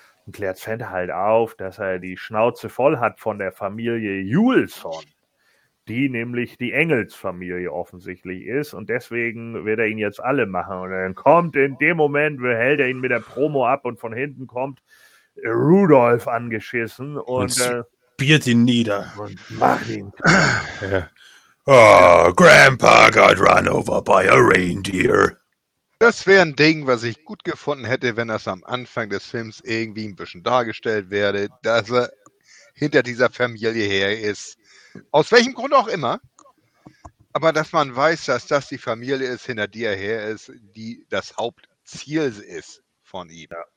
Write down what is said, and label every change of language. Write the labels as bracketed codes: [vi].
[de] und klärt Sand halt auf, dass er die Schnauze voll hat von der Familie Juleson, die nämlich die Engelsfamilie offensichtlich ist und deswegen wird er ihn jetzt alle machen. Und dann kommt in dem Moment, hält er ihn mit der Promo ab und von hinten kommt Rudolf angeschissen und spiert ihn nieder. Und macht ihn. Ja. [en] Oh, Grandpa got run over by a reindeer. [de] Das wäre ein Ding, was ich gut gefunden hätte, wenn das am Anfang des Films irgendwie ein bisschen dargestellt werde, dass er hinter dieser Familie her ist. Aus welchem Grund auch immer. Aber dass man weiß, dass das die Familie ist, hinter der er her ist, die das Hauptziel ist von ihm.